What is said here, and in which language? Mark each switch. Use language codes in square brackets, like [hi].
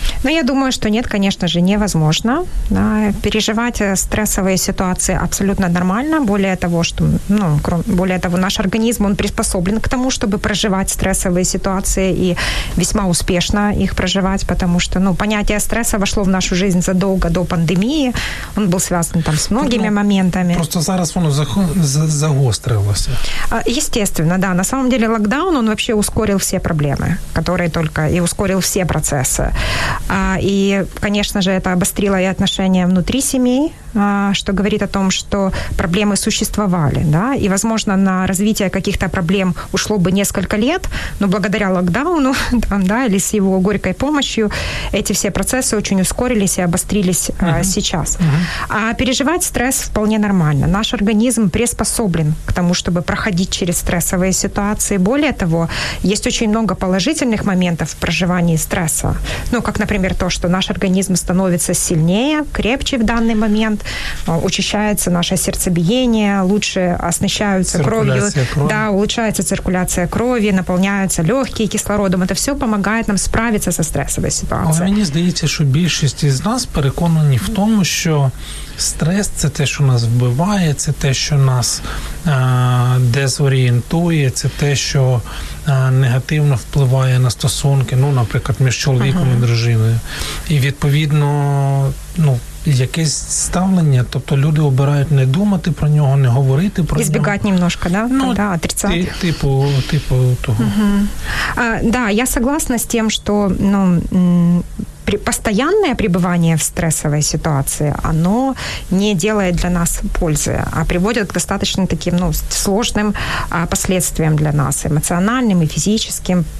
[uk] Ну, я думаю, що ні, звісно ж, [ru] невозможно. [uk] Да, переживати стресові ситуації абсолютно нормально, більше того, що, ну, більше того, наш організм, він [ru] приспособлен к тому, [uk] щоб проживати стресові ситуації і весьма успішно їх проживати, тому що, ну, поняття стресу вошло в нашу життя задовго до пандемії, він був зв'язаний там з многими ну, моментами. Просто зараз воно загострилося. [ru] Естественно, да, на самом деле локдаун, он вообще ускорил все проблемы, которые только, и ускорил все процессы. И, конечно же, это обострило и отношения внутри семей, что говорит о том, что проблемы существовали, да, и, возможно, на развитие каких-то проблем ушло бы несколько лет, но благодаря локдауну, там, да, или с его горькой помощью, эти все процессы очень ускорились и обострились сейчас. А переживать стресс вполне нормально. Наш организм приспособлен к тому, чтобы проходить через стрессовые ситуации. Более того, есть очень много положительных моментов в проживании стресса. Ну, как, например, то, что наш организм становится сильнее, крепче в данный момент. учащается наше сердцебиение, лучше оснащаются кровью, да, улучшается циркуляция [uk] крові, наполняються легкі [ru] кислородом. [uk] Це все допомагає нам справитися зі стресовою ситуацією. Але мені здається, що більшість із нас переконані в тому, що стрес – це те, що нас вбиває, це те, що нас дезорієнтує, це те, що негативно впливає на стосунки, ну, наприклад, між чоловіком і дружиною. І, відповідно, ну, якесь ставлення, тобто люди обирають не думати про нього, не говорити про [ru] Избегать Избегать немножко, да? Ну, да, отрицать. Типу того. Да, я согласна с тем, что, ну, постоянное пребывание в стрессовой ситуации, оно не делает для нас пользы, а приводит к достаточно таким, ну, сложным последствиям для нас, эмоциональным и физическим.